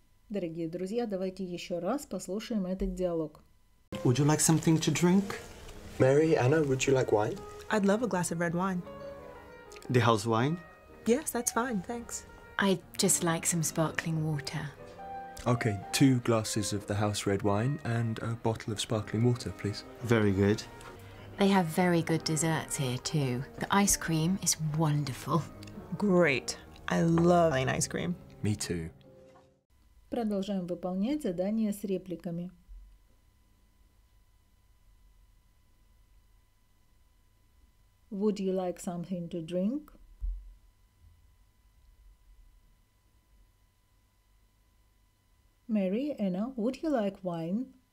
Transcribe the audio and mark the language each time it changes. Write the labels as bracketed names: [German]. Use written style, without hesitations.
[Russian] Дорогие друзья, давайте еще раз послушаем этот диалог. [English] Would you like something to drink? Mary, Anna, would you like wine? I'd love a glass of red wine. The house wine? Yes, that's fine, thanks. I'd just like some sparkling water. Okay, two glasses of the house red wine and a bottle of sparkling water, please. Very good. They have very good desserts here too. The ice cream is wonderful. Great. I love plain ice cream. Me too. [Russian] Продолжаем выполнять задание с репликами. [English] Would you like something to drink? Mary, Anna, would you like wine?